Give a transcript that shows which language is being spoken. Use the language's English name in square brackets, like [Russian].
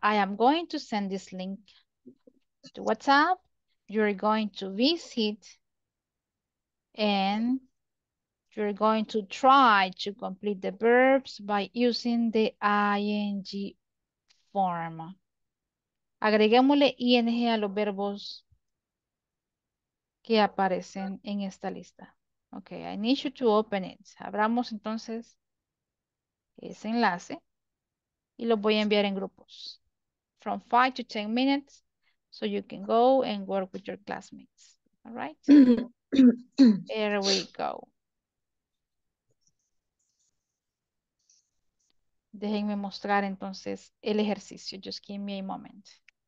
[English] I am going to send this link to WhatsApp. You're going to visit and you're going to try to complete the verbs by using the ing form. [Spanish] Agreguémosle ing a los verbos que aparecen en esta lista. [English] Ok, I need you to open it. [Spanish] Abramos entonces ese enlace y lo voy a enviar en grupos. [English] From 5 to 10 minutes, so you can go and work with your classmates. All right? There we go. [Spanish] Déjenme mostrar entonces el ejercicio. [English] Just give me a moment.